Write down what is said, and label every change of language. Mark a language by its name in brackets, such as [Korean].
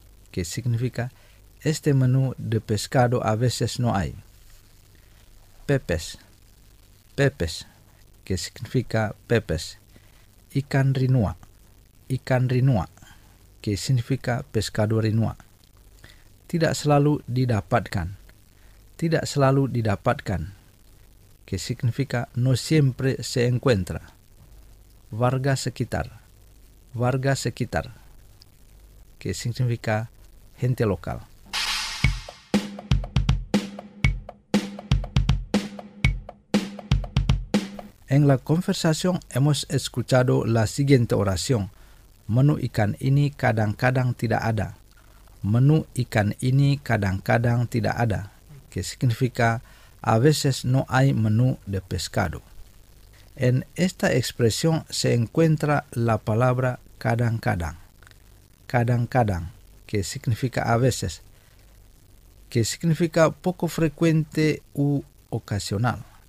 [Spanish] Que significa este menu de pescado a veces no hay. Pepes. Pepes. Que significa pepes. [Indonesian] Ikan rinua. Ikan rinua. [Spanish] Que significa pescado rinua. [Indonesian] Tidak selalu didapatkan. Tidak selalu didapatkan. [Spanish] Que significa no siempre se encuentra. [Indonesian] Warga sekitar. Warga sekitar. [Spanish] Que significa gente local. En la conversación hemos escuchado la siguiente oración. [Indonesian] Menu ikan ini kadang-kadang tidak ada. Menu ikan ini kadang-kadang tidak ada. [Spanish] Que significa, a veces no hay menú de pescado. En esta expresión se encuentra la palabra kadang-kadang. Kadang-kadang, que significa a veces. Que significa poco frecuente u ocasional.